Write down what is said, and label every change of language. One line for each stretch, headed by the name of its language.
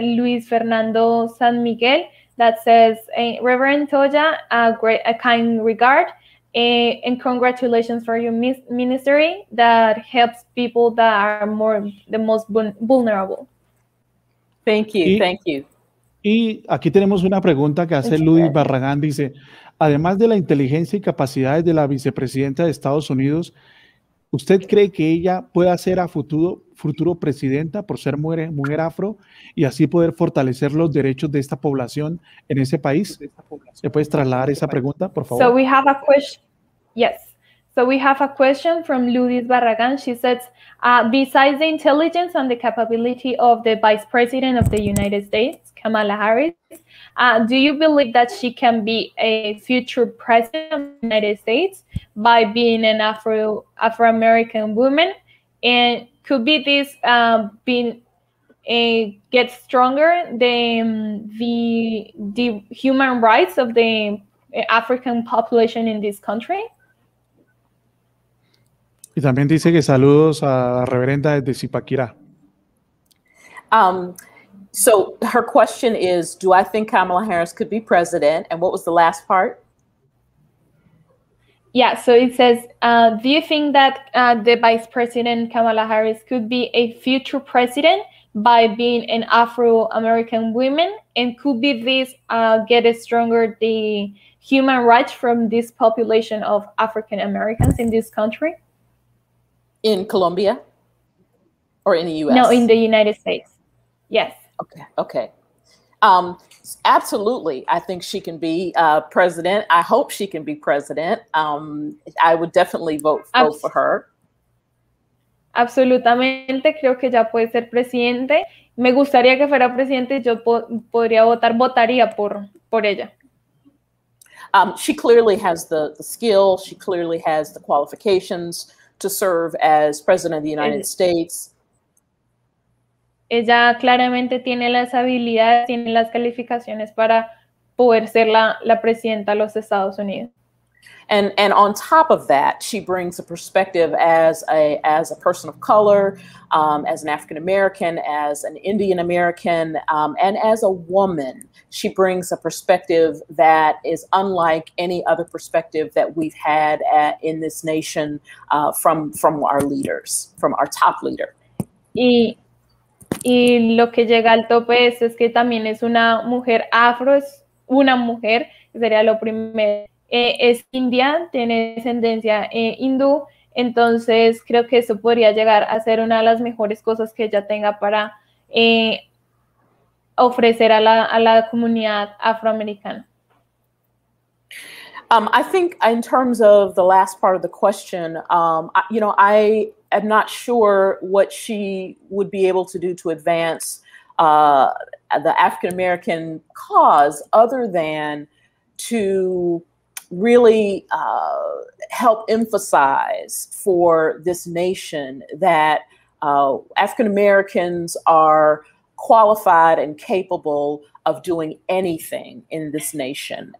English: Luis Fernando San Miguel, that says, Reverend Toya, a kind regard and congratulations for your ministry that helps people that are the most vulnerable. Thank you.
Spanish: Y aquí tenemos una pregunta que hace Luis Barragán, dice, además de la inteligencia y capacidades de la vicepresidenta de Estados Unidos, ¿usted cree que ella pueda ser a futuro presidenta por ser mujer afro y así poder fortalecer los derechos de esta población en ese país? ¿Me puedes trasladar esa pregunta, por favor?
English: So we have a question. Yes. So we have a question from Ludis Barragan. She says, besides the intelligence and the capability of the Vice President of the United States, Kamala Harris, do you believe that she can be a future president of the United States by being an Afro-American woman? And could be this being a get stronger than the human rights of the African population in this country?
Spanish: Y también dice que saludos a Reverenda desde Zipaquirá.
English: So her question is, do I think Kamala Harris could be president? And what was the last part? Yeah, so it says, do you think that the Vice President Kamala Harris could be a future president by being an Afro-American woman? And could be this get a stronger the human rights from this population of African-Americans in this country? In Colombia or in the U.S.? No, in the United States. Yes. Okay. Absolutely. I think she can be president. I hope she can be president. I would definitely vote for her.
Spanish: Absolutamente. Creo que ya puede ser presidente. Me gustaría que fuera presidente. Yo podría votar, votaría por ella.
English: She clearly has the skill. She clearly has the qualifications to serve as president of the United States.
Spanish: Ella claramente tiene las habilidades, tiene las calificaciones para poder ser la presidenta de los Estados Unidos.
English: And on top of that, she brings a perspective as a person of color, as an African American, as an Indian American, and as a woman. She brings a perspective that is unlike any other perspective that we've had in this nation from our leaders, from our top leader.
Spanish: Y lo que llega al tope es que también es una mujer afro, es una mujer, sería lo primero. Es india, tiene descendencia hindú, entonces creo que eso podría llegar a ser una de las mejores cosas que ella tenga para ofrecer a la comunidad afroamericana.
English: I think in terms of the last part of the question, I am not sure what she would be able to do to advance the African American cause other than to really help emphasize for this nation that African Americans are qualified and capable of doing anything in this nation.